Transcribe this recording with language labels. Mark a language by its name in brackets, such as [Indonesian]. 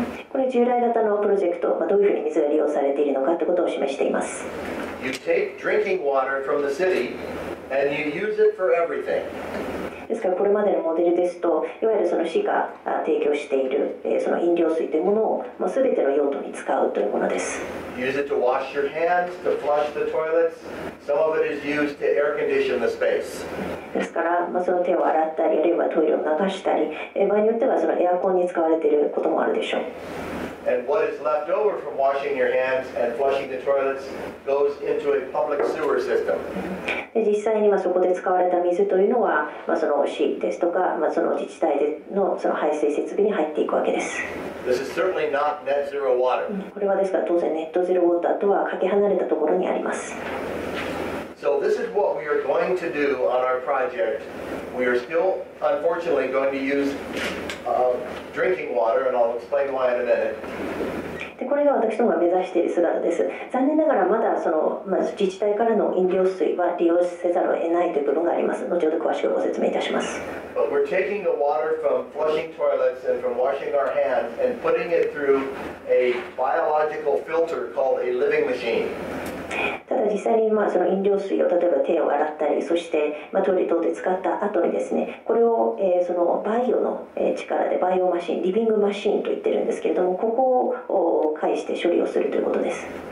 [Japanese] これ従来型のプロジェクト、どういうふうに水が利用されているのかということを示しています。 [English] You take drinking water from the city and you use it for everything. [Japanese] ですからこれまでのモデルですと、いわゆるその市が提供しているその飲料水というものを全ての用途に使うというものです。 [English] Use it to wash your hands, to flush the toilets. Some of it is used to air condition the space. [Japanese] ですから、その手を洗ったり、あるいはトイレを流したり、場合によってはそのエアコンに使われていることもあるでしょう。 [English] And what is left over from washing your hands and flushing the toilets goes into a public sewer system. [Japanese] 実際にそこで使われた水というのは、その市ですとか、その自治体のその排水設備に入っていくわけです。 [English] This is certainly not net zero water. [Japanese] これはですから、当然ネットゼロウォーターとはかけ離れたところにあります。 [English] So this is what we are going to do on our project. We are still, unfortunately, going to use drinking water, and I'll explain why in a minute. [Japanese] で、これが私どもが目指している姿です。残念ながらまだその、自治体からの飲料水は利用せざるを得ないという部分があります。後ほど詳しくご説明いたします。 [English] But we're taking the water from flushing toilets and from washing our hands and putting it through a biological filter called a living machine. [Japanese] ただ実際にその飲料水を例えば手を洗ったりそしてトイレ等で使った後にですねこれをそのバイオの力でバイオマシンリビングマシンと言ってるんですけれどもここを介して処理をするということです。